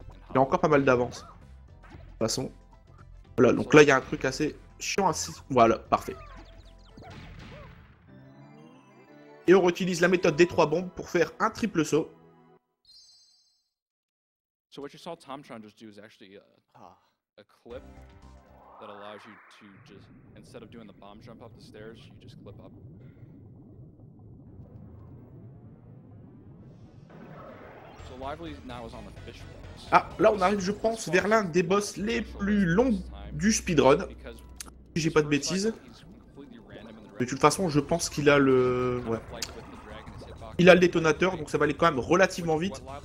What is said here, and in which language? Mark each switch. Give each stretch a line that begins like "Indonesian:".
French: Il a encore pas mal d'avance. De toute façon. Voilà, donc là, il y a un truc assez chiant. Voilà, parfait. Et on réutilise la méthode des trois bombes pour faire un triple saut.
English: So what you saw Tom Tron just do is actually a clip that allows you to just, instead of doing the bomb jump up the stairs, you just clip up. So Lively now is on the fish boss.
French: Ah, là on arrive, je pense, vers l'un des boss les plus longs du speedrun. Si j'ai pas de bêtises. De toute façon, je pense qu'il a le... Ouais. Il a le détonateur, donc ça va aller quand même relativement vite.